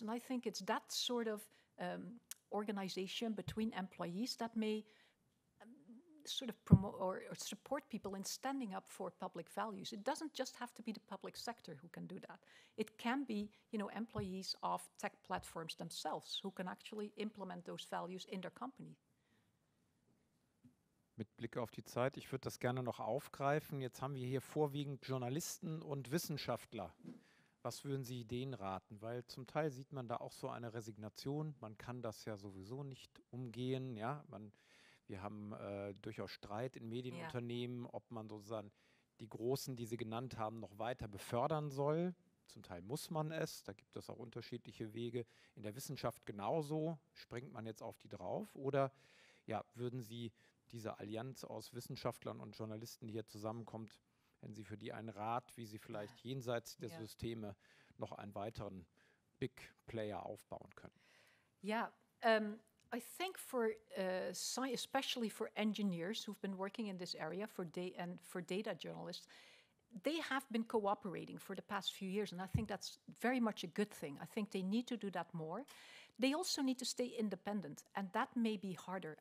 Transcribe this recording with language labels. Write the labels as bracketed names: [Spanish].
[English] And I think it's that sort of organization between employees that may sort of promote or support people in standing up for public values. It doesn't just have to be the public sector who can do that. It can be, you know, employees of tech platforms themselves who can actually implement those values in their company. [German] Mit Blick auf die Zeit, ich würde das gerne noch aufgreifen. Jetzt haben wir hier vorwiegend Journalisten und Wissenschaftler. Was würden Sie denen raten? Weil zum Teil sieht man da auch so eine Resignation. Man kann das ja sowieso nicht umgehen. Ja, wir haben durchaus Streit in Medienunternehmen, ob man sozusagen die Großen, die Sie genannt haben, noch weiter befördern soll. Zum Teil muss man es, da gibt es auch unterschiedliche Wege. In der Wissenschaft genauso, springt man jetzt auf die drauf? Oder ja, würden Sie diese Allianz aus Wissenschaftlern und Journalisten, die hier zusammenkommt, hätten Sie für die einen Rat, wie Sie vielleicht jenseits der Systeme noch einen weiteren Big Player aufbauen können? [English] Ja, I think for especially for engineers who've been working in this area for data journalists, they have been cooperating for the past few years, and I think that's very much a good thing. I think they need to do that more. They also need to stay independent, and that may be harder.